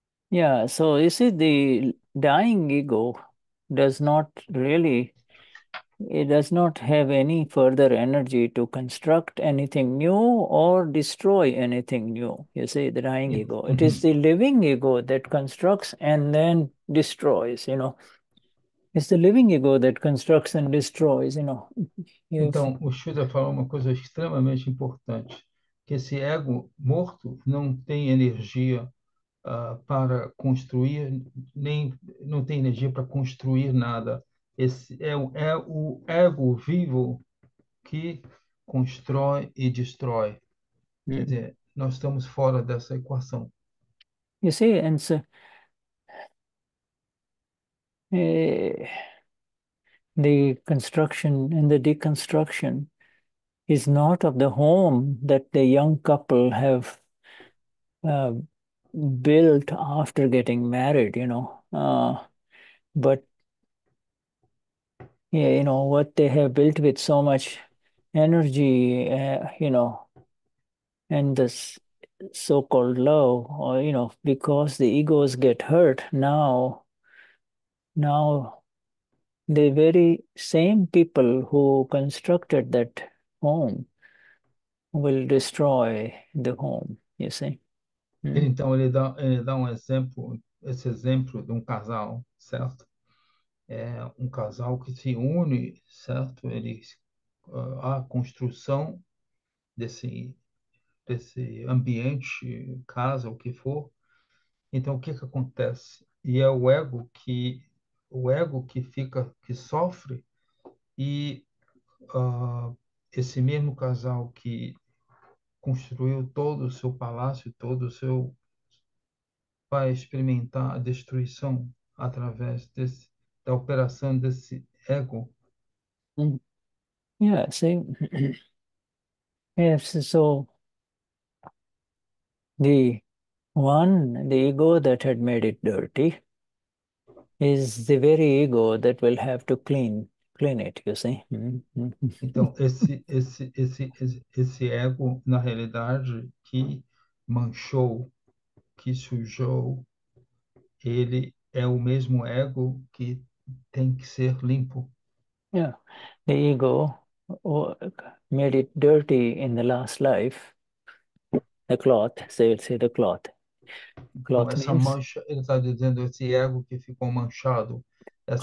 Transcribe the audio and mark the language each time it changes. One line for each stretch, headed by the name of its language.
English: Yeah, so you see, the dying ego does not really, it does not have any further energy to construct anything new or destroy anything new. You see, the dying ego. It is the living ego that constructs and then destroys, you know. It's the living ego that constructs and destroys, you know. If.
Portuguese: Então, o Shuda falou uma coisa extremamente importante, que esse ego morto não tem energia para construir, nem não tem energia para construir nada. Esse é o ego vivo que constrói e destrói. Quer dizer, nós estamos fora dessa equação.
English: You see, and so the construction and the deconstruction is not of the home that the young couple have built after getting married, you know. But yeah, you know what they have built with so much energy, you know, and this so-called love, or you know, because the egos get hurt now. Now, the very same people who constructed that home will destroy the home, you see.
Portuguese: Então ele dá um exemplo, esse exemplo de um casal, certo? É um casal que se une, certo? A construção desse ambiente, casa, o que for. Então o que que acontece? E é o ego que fica, que sofre, e esse mesmo casal que construiu todo o seu palácio, todo o seu vai experimentar a destruição através da operação desse ego.
English: Yeah, see, yes, so the one, the ego that had made it dirty, is the very ego that will have to clean it, you see.
Portuguese: Então, esse ego, na realidade, que manchou, que sujou, ele é o mesmo ego que tem que ser limpo.
English: Yeah, the ego made it dirty in the last life. The cloth, say the cloth.
Portuguese: Então,
English: Cloth
Portuguese: essa
English: means
Portuguese: mancha, ele está dizendo, esse ego que ficou manchado, essa